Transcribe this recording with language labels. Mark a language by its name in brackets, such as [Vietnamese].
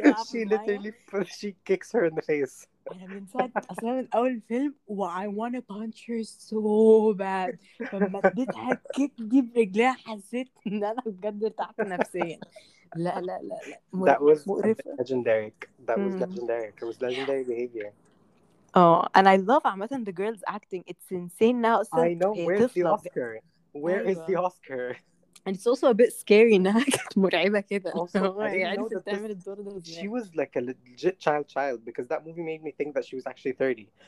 [English] she literally she kicks her in the face [Arabic] أنا من ساعة أصلا من أول الفيلم و [English] I wanna punch her so bad [Arabic] فما اديتها الكيك دي برجليها حسيت إن أنا بجد ارتحت نفسيا لا لا لا لا [English] That was [Arabic] مقرفة. [English] legendary That was legendary It was legendary behavior Oh and I love [Arabic] عامة [English] the girls acting It's insane now so I know where is the Oscar Where is the Oscar And it's also a bit scary [Arabic] إنها كانت مرعبة كده. [English] Also, I didn't know that she was like a legit child because that movie made me think that she was actually 30.